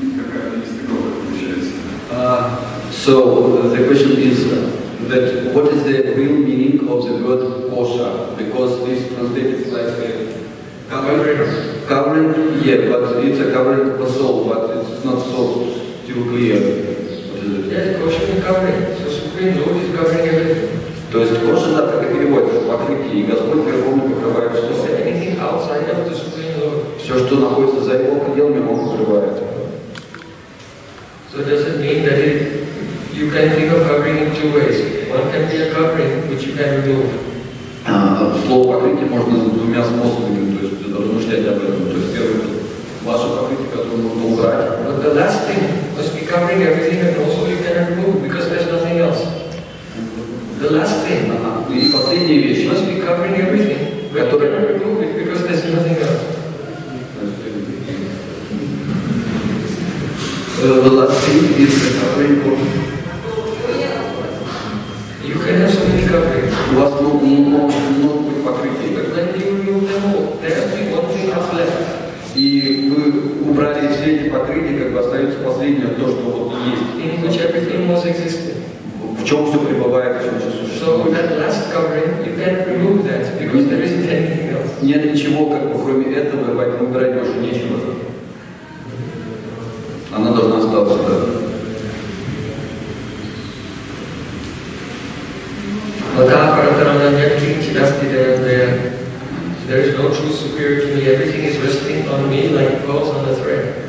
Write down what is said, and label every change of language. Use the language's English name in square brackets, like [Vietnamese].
[English] So the question is that what is the real meaning of the word kosha? Because this translated like a covering, yeah, but it's a covering of a soul, but it's not so still clear. What is it? Yes, kosha is covering, so Supreme Lord is covering everything. [Russian] То есть kosha так и переводится, покрытие, и Господь Верховный покрывает [English] все. Anything outside of the Supreme Lord. [Russian] Все, что находится за его пределами, он покрывает. [English] So does it mean that it... You can think of covering in two ways. One can be a covering, which you can remove. [Russian] Слово покрытие можно двумя способами, то есть размышлять об этом. То есть первое, ваше покрытие, которое можно убрать. [English] But the last thing must be covering everything and also you can remove, because there's nothing else. The last thing [Russian] И последняя вещь. [English] Must be covering everything, but you can remove it, because there's nothing else. The last thing is the covering of... You can have so many coverings. [Russian] У вас много покрытий. [English] But when you remove them all, there has to be one thing left. [Russian] И вы убрали все эти покрытия, как бы остается последнее, то, что вот есть. [English] In which everything was existing. [Russian] В чем все пребывает, в чем все существует. [English] So that last covering, you can remove that, because there isn't anything else. [Russian] Нет ничего, как бы, кроме этого, поэтому убрать больше нечего. Она должна остаться, да. Вода, Паратарана, нет кинти, дасти, дэн, дэн. [English] There is no true superior to me. Everything is resting on me like falls on a thread.